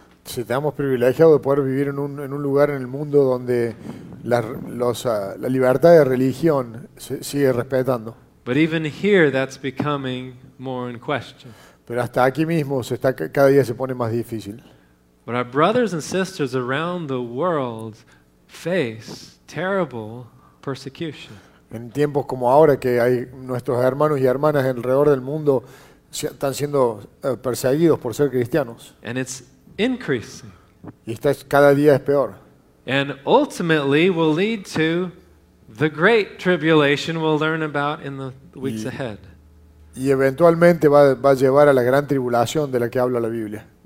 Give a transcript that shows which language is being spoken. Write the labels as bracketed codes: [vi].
[es] Si tenemos privilegiado de poder vivir en un lugar en el mundo donde la libertad de religión se sigue respetando. [en] But even here, that's becoming more in question. [es] Pero hasta aquí mismo cada día se pone más difícil. [en] But our brothers and sisters around the world face terrible persecution. [es] En tiempos como ahora que hay nuestros hermanos y hermanas alrededor del mundo están siendo perseguidos por ser cristianos. [en] And it's increasing. [es] Y cada día es peor. [en] And ultimately will lead to the great tribulation we'll learn about in the weeks ahead. [es] Y eventualmente va a llevar a la gran tribulación de la que habla la Biblia.